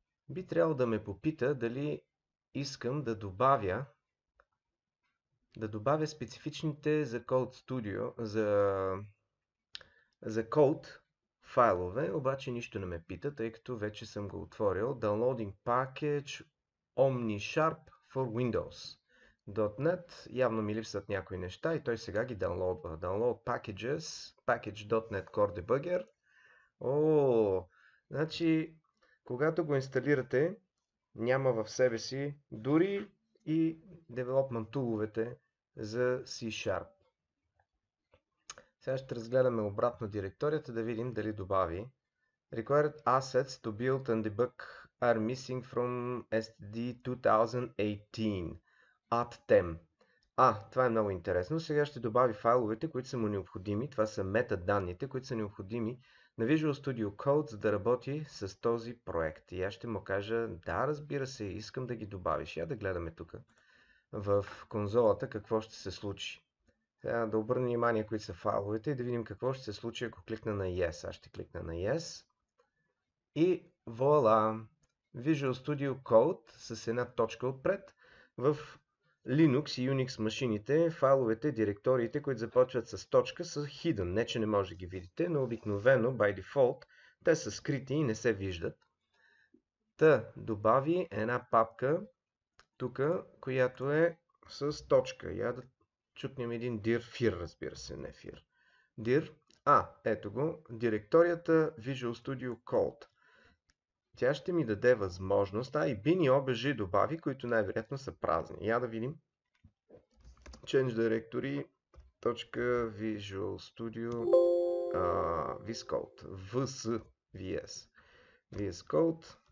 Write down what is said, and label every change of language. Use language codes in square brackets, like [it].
[bg] Би трябвало да ме попита дали искам да добавя специфичните за Code Studio, за Code файлове, обаче нищо не ме пита, тъй като вече съм го отворил. [en] Downloading package OmniSharp for Windows. [bg] .NET, явно ми липсват някои неща и той сега ги даунлоудва. [en] Download packages, package.NET Core Debugger. [bg] Значи, когато го инсталирате, няма в себе си дори и development tool-овете за C Sharp. Сега ще разгледаме обратно директорията да видим дали добави. [en] Required assets to build and debug are missing from STD 2018. Add them. [bg] Това е много интересно. Сега ще добави файловете, които са му необходими. Това са метаданните, които са необходими на Visual Studio Code, за да работи с този проект. И аз ще му кажа, да, разбира се, искам да ги добавиш. Я да гледаме тук в конзолата какво ще се случи. Сега да обърна внимание, кои са файловете и да видим какво ще се случи, ако кликна на Yes. Аз ще кликна на Yes. И вуаля! Visual Studio Code с една точка отпред в Linux и Unix машините, файловете, директориите, които започват с точка, са hidden. Не, че не може да ги видите, но обикновено, by default, те са скрити и не се виждат. Та, добави една папка, тук, която е с точка. Я да чукнем един dir fir, разбира се, не fir. Dir, ето го, директорията Visual Studio Code. Тя ще ми даде възможност, и bin и obj добави, които най-вероятно са празни. Я да видим. Change Directory. Visual Studio. [en] VS Code. VS Code.